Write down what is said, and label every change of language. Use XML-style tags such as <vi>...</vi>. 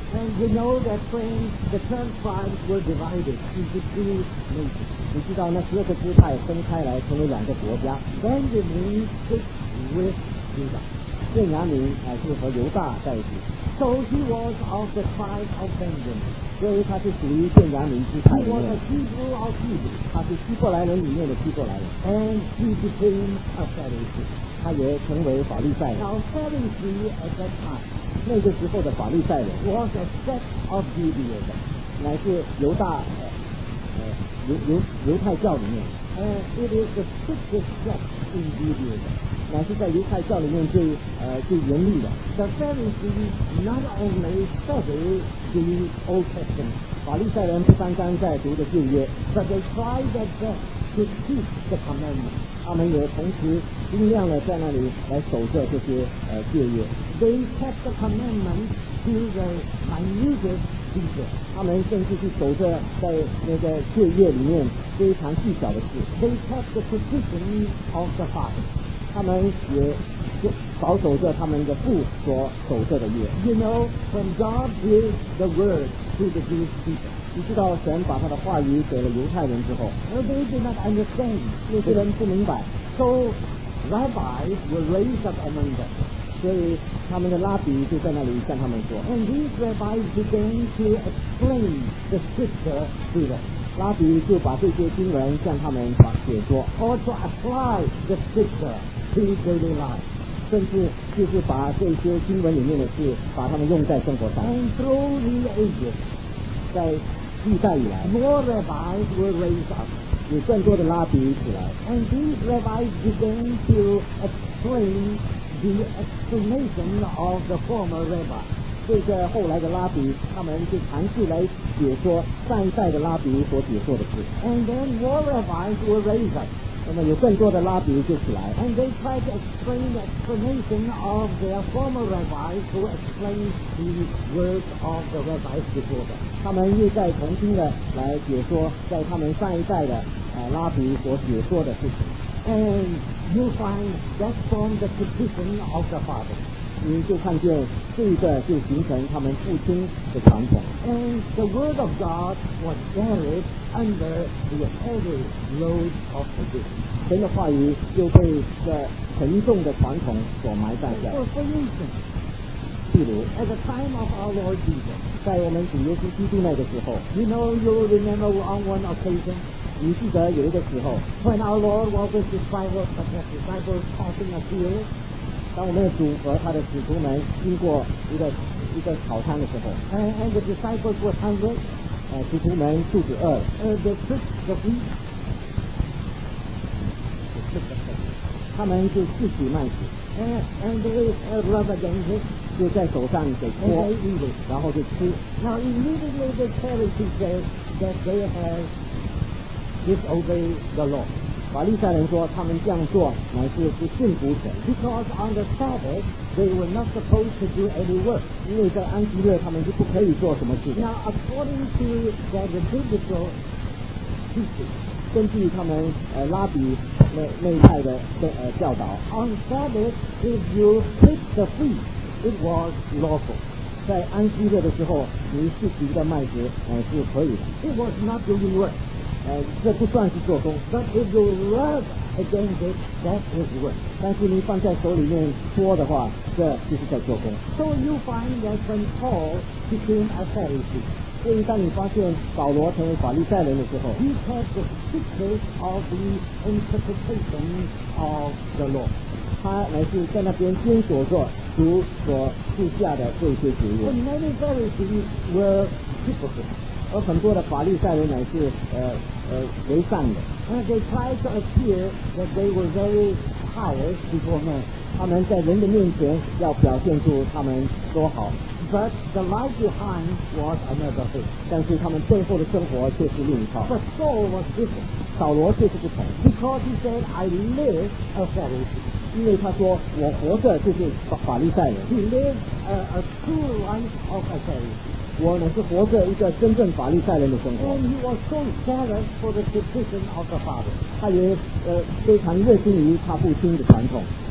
<en>And you know that when the 12 tribes were divided into two nations,</en> <zh>你知道那十二个支派分开来成为两个国家。</zh> <en>Benjamin stayed with Judah.</en> <zh>便雅悯是和犹大在一起。</zh> <en>So he was of the tribe of Benjamin.</en> <zh>所以他是属于便雅悯支派里面。</zh> <en>He was a Hebrew of Hebrews.</en> <zh>他是希伯来人里面的希伯来人。</zh> <en>And he became a Pharisee.</en> <zh>他也成为法利赛人。</zh> <en>Now Pharisee at that time.</en> <zh>那个时候的法利赛人</zh> <en>was a sect of Judaism，</en> <zh>乃是犹大犹太教里面。</zh> <en>It is the strictest sect in Judaism，</en> <zh>乃是在犹太教里面最最严厉的。</zh> <en>The Pharisees not only study the Old Testament，</en> <zh>法利赛人不单单在读的旧约</zh> <en>，but they try their best to keep the commandments。</en> <zh>他们也同时尽量的在那里来守着这些戒律。</zh> <en>They kept the commandments to the minutest detail。</en> <zh>他们甚至是守着在那个戒律里面非常细小的事。</zh> <en>They kept the tradition of the father。</en> <zh>他们也保守着他们的父所守着的约。</zh> <en>You know, when God gives the word to the Jewish people。</en> <zh>你知道神把他的话语给了犹太人之后</zh> <en>they did not understand，</en> <zh>有些人不明白。</zh> <en>So rabbis were raised up among them，</en> <zh>所以他们的拉比就在那里向他们说。</zh> <en>And these rabbis began to explain the scripture to them，</en> <zh>拉比就把这些经文向他们解说。</zh> <en>Or to apply the scripture to daily life，</en> <zh>甚至就是把这些经文里面的事把他们用在生活上。</zh> <en>And through the ages，</en> <zh>在历代以来</zh> <en>more rabbis were raised up，</en> <zh>有更多的拉比起来。</zh> <en>And these rabbis began to explain the explanation of the former rabbi，</en> <zh>这个后来的拉比他们就尝试来解说上一代的拉比所解说的事。</zh> <en>And then more rabbis were raised up，</en> <zh>那么有更多的拉比就起来。</zh> <en>And they tried to explain the explanation of their former rabbi to explain the words of the rabbis before them，</en> <zh>他们又在重新的来解说在他们上一代的拉比所解说的事情。</zh> <en>And you find that from the tradition of the father，</en> <zh>你就看见这个就形成他们父亲的传统。</zh> <en>And the word of God was buried under the heavy load of tradition，</en> <zh>神的话语就被这沉重的传统所埋在下。</zh> <en>For instance，At the time of our Lord Jesus，</en> <zh>在我们主耶稣基督那个时候</zh> <en>，You know you remember on one occasion，</en> <zh>你记得有一个时候</zh> <en>，When our Lord was with his disciples crossing a field，</en> <zh>当我们的主和他的使徒们经过一个草滩的时候</zh> <en>，And the disciples were hungry，</en> <zh>使徒们肚子饿</zh> <en>，And they took the feast，</en> <zh>他们就自取慢食</zh> <en>，And they rub against it。</en> <zh>就在手上给搓，然后就吃。</zh> <en>Now immediately the Pharisees say that they have disobeyed the law。</en> <zh>法利赛人说他们这样做乃是不顺服神。</zh> <en>Because on the Sabbath they were not supposed to do any work。</en> <zh>因为在安息日他们就不可以做什么事。</zh> <en>Now according to the biblical teaching，</en> <zh>根据他们拉比那一派的教导</zh> <en>，On Sabbath if you keep the feast。 It was lawful，</en> <zh>在安息日的时候，你自己的麦子是可以的。</zh> <en>It was not doing work，</en> <zh>这不算是做工。</zh> <en>But if you rub against it, that is work。</en> <zh>但是你放在手里面搓的话，这就是在做工。</zh> <en>So you find that when Paul became a Pharisee，</en> <zh>所以当你发现保罗成为法利赛人的时候</zh> <en>，He had the secret of the interpretation of the law。</en> <zh>他乃是在那边坚守着主所赐下的这些职务。</zh> <en>And many Pharisees were hypocrites，</en> <zh>而很多的法利赛人乃是为善的。</zh> <en>And they tried to appear that they were very pious before men，</en> <zh>他们在人的面前要表现出他们多好。</zh> <en>But the life behind was another thing，</en> <zh>但是他们背后的生活却是另一套。</zh> <en>But Saul was different，</en> <zh>扫罗却是不同。</zh> <en>Because he said I live a Pharisee，</en> <zh>因为他说我活着就是法利赛人。</zh> <en>He lived a true life of a Pharisee，</en> <zh>我乃是活着一个真正法利赛人的生活。</zh> <en>And he was so zealous for the tradition of the father，</en> <zh>他也非常热心于他父亲的传统。</zh>